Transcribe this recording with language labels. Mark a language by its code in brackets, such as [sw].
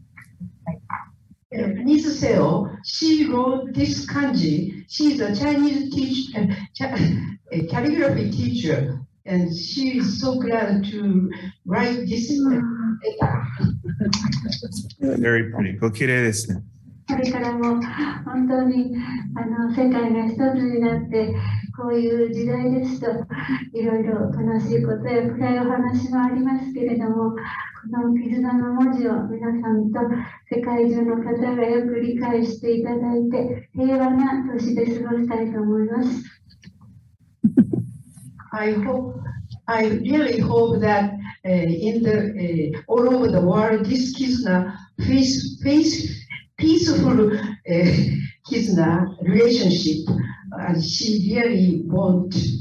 [ja] 私は絆という文字を書かせていただきまして、その時の気持ちはやはりこういう遠距離の中で本当に心からゆらりとして皆さんとお付き合いできたことを嬉しく思います。にせせよ、 [en] She wrote this kanji. She is a Chinese teacher, a calligraphy teacher, and she is so glad to write this letter. Very pretty. [ja] ご綺麗ですね。これからも本当に世界が一つになって、こういう時代ですといろいろ悲しいことや暗いお話もありますけれども、この絆の文字を皆さんと世界中の方がよく理解していただいて、平和な年で過ごしたいと思います。 [en] I really hope that all over the world, this kizuna, peaceful kizuna relationship, she really want.